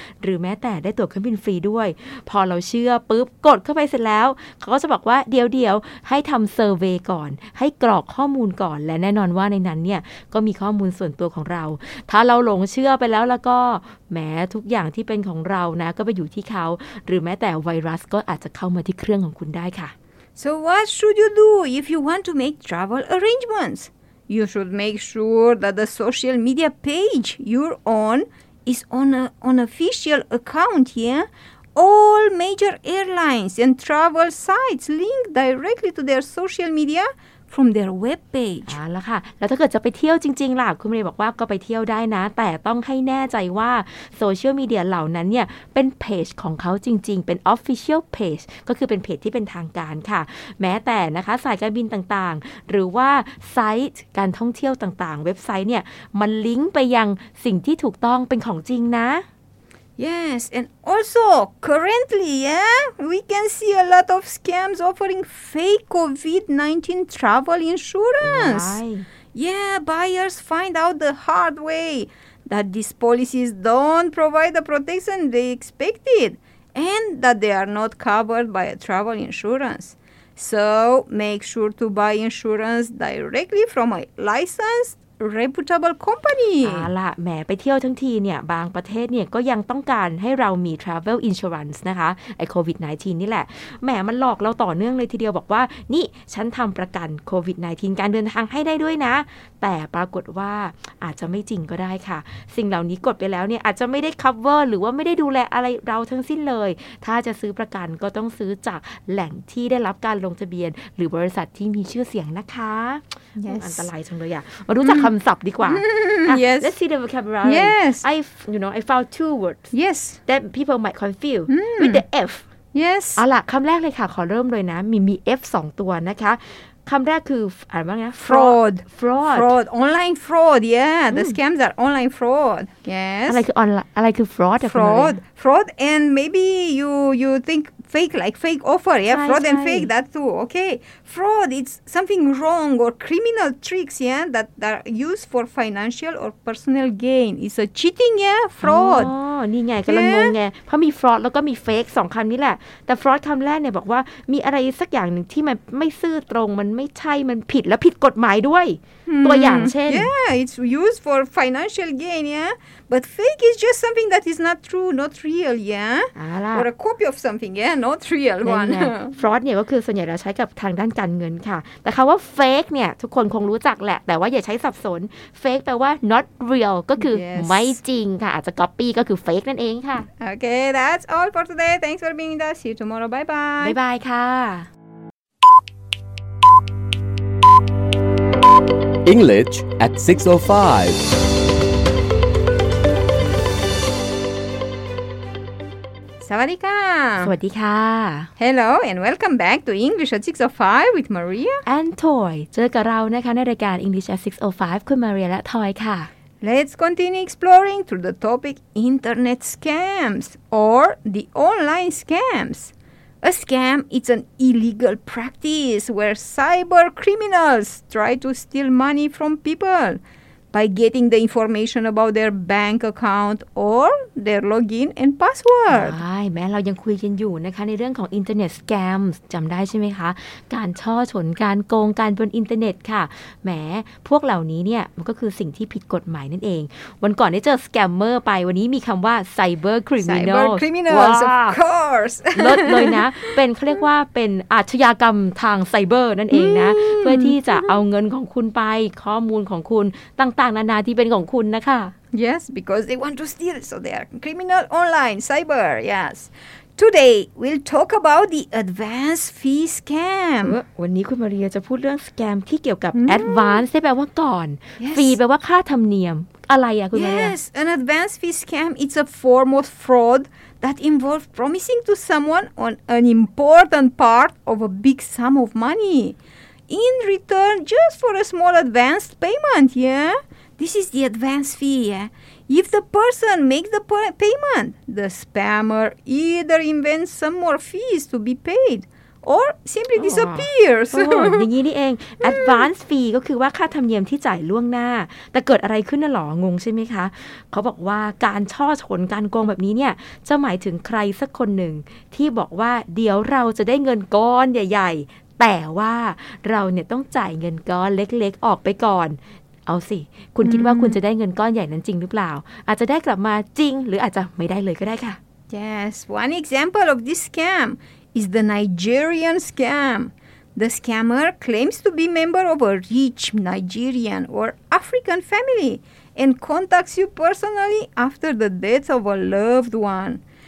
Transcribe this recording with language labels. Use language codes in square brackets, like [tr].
[th] หรือแม้แต่ได้ตั๋วเครื่องบินฟรีด้วยพอเราเชื่อปุ๊บกดเข้าไปเสร็จแล้วเขาก็จะบอกว่าเดี๋ยวๆให้ทำเซอร์เวย์ก่อนให้กรอกข้อมูลก่อนและแน่นอนว่าในนั้นเนี่ยก็มีข้อมูลส่วนตัวของเราถ้าเราหลงเชื่อไปแล้วแล้วก็แม้ทุกอย่างที่เป็นของเรานะก็ไปอยู่ที่เขาหรือแม้แต่ไวรัสก็อาจจะเข้ามาที่เครื่องของคุณได้ค่ะ [en] So what should you do if you want to make travel arrangements? You should make sure that the social media page you're on is on an official account here. All major airlines and travel sites link directly to their social mediaFrom their web page. [th] แล้วค่ะแล้วถ้าเกิดจะไปเที่ยวจริงๆล่ะคุณเมย์บอกว่าก็ไปเที่ยวได้นะแต่ต้องให้แน่ใจว่าโซเชียลมีเดียเหล่านั้นเนี่ยเป็นเพจของเขาจริงๆเป็น official page ก็คือเป็นเพจที่เป็นทางการค่ะแม้แต่นะคะสายการบินต่างๆหรือว่าไซต์การท่องเที่ยวต่างๆเว็บไซต์เนี่ยมันลิงก์ไปยังสิ่งที่ถูกต้องเป็นของจริงนะ [en] Yes, and also, currently, yeah, we can see a lot of scams offering fake COVID-19 travel insurance. Why? Yeah, buyers find out the hard way that these policies don't provide the protection they expected and that they are not covered by a travel insurance. So, make sure to buy insurance directly from a licensedReputable company. [th] ล่ะแหมไปเที่ยวทั้งทีเนี่ยบางประเทศเนี่ยก็ยังต้องการให้เรามี travel insurance นะคะไอ้โควิด19นี่แหละแหมมันหลอกเราต่อเนื่องเลยทีเดียวบอกว่านี่ฉันทำประกันโควิด19การเดินทางให้ได้ด้วยนะแต่ปรากฏว่าอาจจะไม่จริงก็ได้ค่ะสิ่งเหล่านี้กดไปแล้วเนี่ยอาจจะไม่ได้ cover หรือว่าไม่ได้ดูแลอะไรเราทั้งสิ้นเลยถ้าจะซื้อประกันก็ต้องซื้อจากแหล่งที่ได้รับการลงทะเบียนหรือบริษัทที่มีชื่อเสียงนะคะ [en] yes. [th] อันตรายจังเลยอ่ะมาดูจาก คำศัพท์ดีกว่า [en] yes let's see the vocabulary yes I you know I found two words yes that people might confuse with the f yes [th] เอาล่ะคำแรกเลยค่ะขอเริ่มเลยนะมี f 2ตัวนะคะคำแรกคืออ่านว่าไง [en] fraud online fraud yeah the scams are online fraud yes [th] อะไรคือ online อะไรคือ fraud [en] and maybe you think fake like fake offer yeah fraud and fake that too okay fraud it's something wrong or criminal tricks yeah that are used for financial or personal gain it's a cheating yeah fraud [th] อ๋อนี่ไงกำลังงงไงเพราะมี fraud แล้วก็มี fake สองคำนี้แหละแต่ fraud คำแรกเนี่ยบอกว่ามีอะไรสักอย่างหนึ่งที่มันไม่ซื่อตรงมันไม่ใช่มันผิดและผิดกฎหมายด้วยตัวอย่างเช่น [en] yeah it's used for financial gain yeah but fake is just something that is not true not real yeah or a copy of something yeah not real one [th] fraud เนี่ยก็คือส่วนใหญ่เราใช้กับทางด้านการเงินค่ะแต่คำว่า fake เนี่ยทุกคนคงรู้จักแหละแต่ว่าอย่าใช้สับสน fake แปลว่า [en] not real [th] ก็คือไม่จริงค่ะอาจจะ copy ก็คือ fake นั่นเองค่ะ [en] okay that's all for today thanks for being with us see you tomorrow bye bye bye bye ค่ะEnglish at 6:05. [th] Sawadika. Sawadika. [en] Hello and welcome back to English at 6:05 with Maria and Toy. [th] เจอกับเรานะคะในรายการ English at 6:05 คุณ Maria และ Toy ค่ะ [en] Let's continue exploring through the topic Internet scams or the online scams. A scam is an illegal practice where cyber criminals try to steal money from people by getting the information about their bank account or their login and password. [th] ใช่แม้เรายังคุยกันอยู่นะคะในเรื่องของ Internet scams จำได้ใช่ไหมคะการช่อฉนการโกงการบนอินเทอร์เน็ตค่ะแม้พวกเหล่านี้เนี่ยมันก็คือสิ่งที่ผิดกฎหมายนั่นเองวันก่อนได้เจอ scammer ไปวันนี้มีคำว่า cyber criminals [en] of course [th] ลดเลยนะเป็นเขาเรียกว่าเป็นอาชญากรรมทางไซเบอร์นั่นเองนะเพื่อที่จะเอาเงินของคุณไปข้อมูลของคุณตั้งต่างนานาที่เป็นของคุณนะคะ [en] Yes, because they want to steal, so they are criminal online, cyber, yes. Today, we'll talk about the advance fee scam. [th] วันนี้คุณมาเรียจะพูดเรื่องสแกมที่เกี่ยวกับ advance, แปลว่าก่อน ฟีแปลว่าค่าธรรมเนียมอะไรอ่ะคุณมาเรีย [en] Yes, an advance fee scam, it's a form of fraud that involves promising to someone on an important part of a big sum of money. In return, just for a small advance payment, yeah? This is the advance fee, yeah? If the person makes the payment, the spammer either invents some more fees to be paid or simply disappears. [th] Oh, อย่างนี้นี่เอง Advance fee ก็คือว่าค่าธรรมเนียมที่จ่ายล่วงหน้าแต่เกิดอะไรขึ้นน่ะหรองงใช่ไหมคะเขาบอกว่าการช่อฉนการโกงแบบนี้เนี่ยจะหมายถึงใครสักคนหนึ่งที่บอกว่าเดี๋ยวเราจะได้เงินก้อนใหญ่แต่ว่าเราเนี่ยต้องจ่ายเงินก้อนเล็กๆออกไปก่อนเอาสิคุณคิดว่าคุณจะได้เงินก้อนใหญ่นั้นจริงหรือเปล่าอาจจะได้กลับมาจริงหรืออาจจะไม่ได้เลยก็ได้ค่ะ [en] Yes, one example of this scam is the Nigerian scam. The scammer claims to be member of a rich Nigerian or African family and contacts you personally after the death of a loved one.